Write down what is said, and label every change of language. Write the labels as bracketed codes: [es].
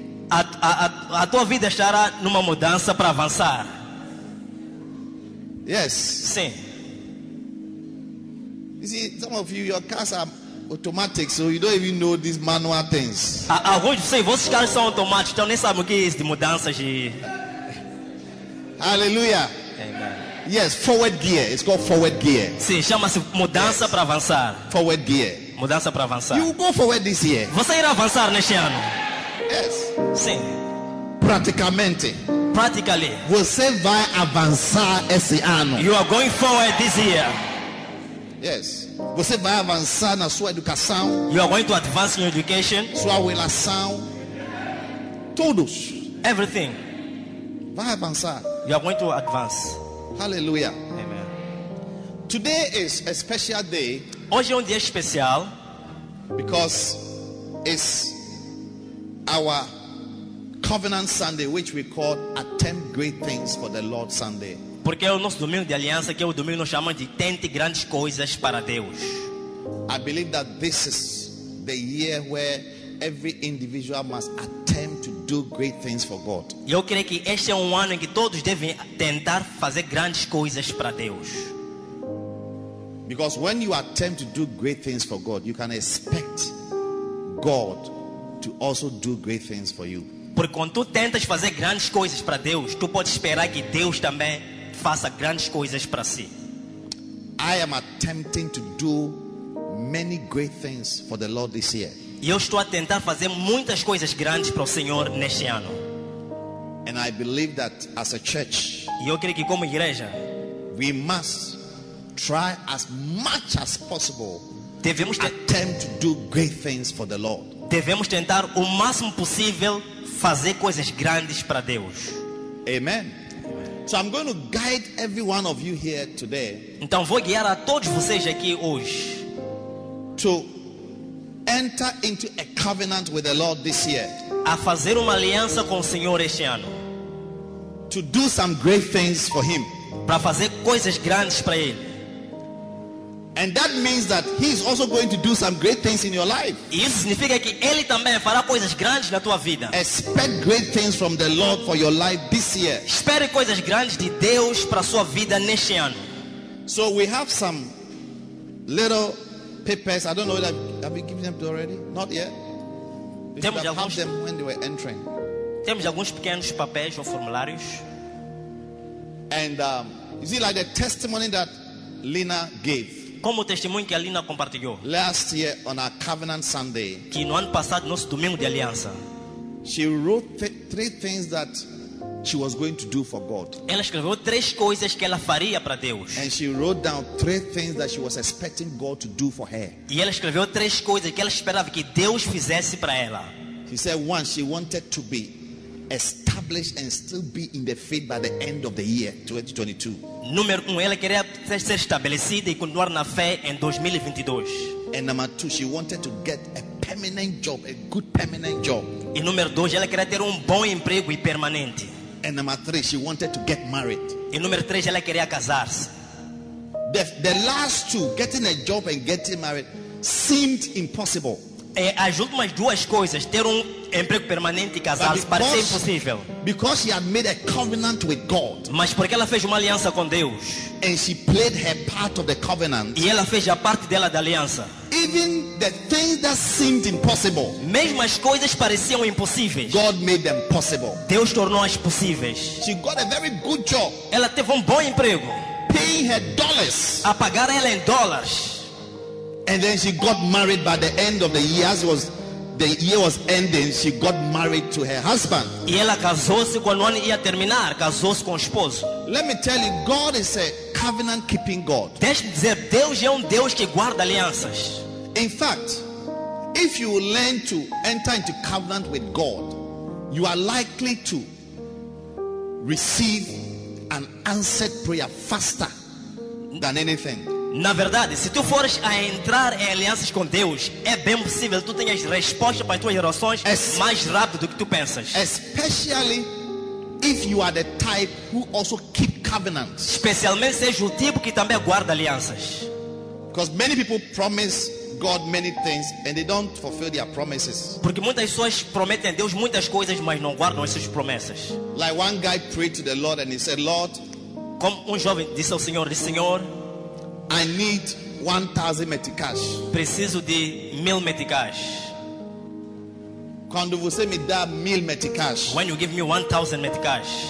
[pt] A tua vida estará numa mudança para avançar. [en] Yes. [pt] Sim. [en] You see, some of you, your cars are automatic, so you don't even know these manual things. [pt] Vocês carros são automáticos, então nem sabem o que é isso de mudanças. [en] Hallelujah. Amen. Yes, forward gear. It's called forward gear. [pt] Sim, chama-se mudança para avançar. [en] Forward gear. [pt] Mudança para avançar. [en] You will go forward this year. [pt] Você irá avançar neste ano. [en] Yes. [pt] Sim. Praticamente. [en] Practically. [pt] Você vai avançar esse ano. [en] You are going forward this year. Yes. [pt] Você vai avançar na sua educação. [en] You are going to advance in your education. [pt] Sua relação. Todos. [en] Everything. [pt] Vai avançar. [en] You are going to advance. Hallelujah. Amen. Today is a special day. [pt] Hoje é dia especial. [en] Because it's our Covenant Sunday, which we call Attempt Great Things for the Lord Sunday. [pt] Porque é o nosso domingo de aliança, que é o domingo que nós chamamos de Tente Grandes Coisas para Deus. [en] I believe that this is the year where every individual must attempt to do great things for God. [pt] Eu creio que este é ano em que todos devem tentar fazer grandes coisas para Deus. [en] Because when you attempt to do great things for God, you can expect God to also do great things for you. [pt] Porque quando tu tentas fazer grandes coisas para Deus, tu podes esperar que Deus também faça grandes coisas para si. [en] I am attempting to do many great things for the Lord this year. [pt] E eu estou a tentar fazer muitas coisas grandes para o Senhor neste ano. [en] And I believe that as a church, [pt] e eu creio que como igreja, [en] we must try as much as possible. [pt] Devemos [en] attempt to do great things for the Lord. [pt] Devemos tentar o máximo possível fazer coisas grandes para Deus. [en] Amen. So I'm going to guide every one of you here today. [pt] Então vou guiar a todos vocês aqui hoje. [en] To enter into a covenant with the Lord this year. [pt] A fazer uma aliança com o Senhor este ano. [en] To do some great things for him. [pt] Para fazer coisas grandes para ele. [en] And that means that he is also going to do some great things in your life. [pt] Isso significa que ele também fará coisas grandes na tua vida. [en] Expect great things from the Lord for your life this year. [pt] Espere coisas grandes de Deus para sua vida neste ano. [en] So we have some little papers. I don't know if have you given them already? Not yet. [pt] Temos alguns. [en] Have them when they were entering. [pt] Temos alguns pequenos papéis ou formulários. [en] And you see, like the testimony that Lina gave. [pt] Como o testemunho que a Lina compartilhou. [en] Last year on our Covenant Sunday. [pt] Que no ano passado, nosso domingo de aliança. [en] She wrote three things that she was going to do for God. [pt] Ela escreveu três coisas que ela faria para Deus. [en] And she wrote down three things that she was expecting God to do for her. [pt] E ela escreveu três coisas que ela esperava que Deus fizesse para ela. [en] She said one, she wanted to be established and still be in the faith by the end of the year 2022. [pt] Número 1, ela queria ser estabelecida e continuar na fé em 2022. [en] And number 2, she wanted to get a permanent job, a good permanent job. [pt] E número 2, ela queria ter bom emprego e permanente. [en] And number 3, she wanted to get married. [pt] E número 3, ela queria casar-se. [en] The last two, getting a job and getting married, seemed impossible. [pt] As últimas duas coisas, ter emprego permanente e casar-se, parece impossível. [en] Because she had made a covenant with God. [pt] Mas porque ela fez uma aliança com Deus. [en] And she played her part of the covenant. [pt] E ela fez a parte dela da aliança. [en] Even the things that seemed impossible. [pt] Mesmo as coisas pareciam impossíveis. [en] God made them possible. [pt] Deus tornou-as possíveis. [en] She got a very good job. [pt] Ela teve bom emprego. [en] Paying her dollars. [pt] A pagar ela em dólares. [en] And then she got married by the end of the year. As the year was ending, she got married to her husband. [pt] E ela casou-se quando ia terminar, casou-se com o esposo. [en] Let me tell you, God is a covenant keeping God. [pt] Deixa-me dizer, Deus é Deus que guarda alianças. [en] In fact, if you learn to enter into covenant with God, you are likely to receive an answered prayer faster than anything. [pt] Na verdade, se tu fores a entrar em alianças com Deus, é bem possível que tu tenhas resposta para as tuas orações mais rápido do que tu pensas. [en] Especially if you are the type who also keep covenants. [pt] Especialmente se és o tipo que também guarda alianças. [en] Because many people promise God many things and they don't fulfill their promises. [pt] Porque muitas pessoas prometem a Deus muitas coisas, mas não guardam as suas promessas. [en] Like one guy prayed to the Lord and he said, Lord, [pt] como jovem disse ao Senhor, [en] I need 1,000 meticais. [pt] Preciso de 1,000 meticais. Quando você me dá 1,000 meticais, [en] when you give me 1,000 meticais,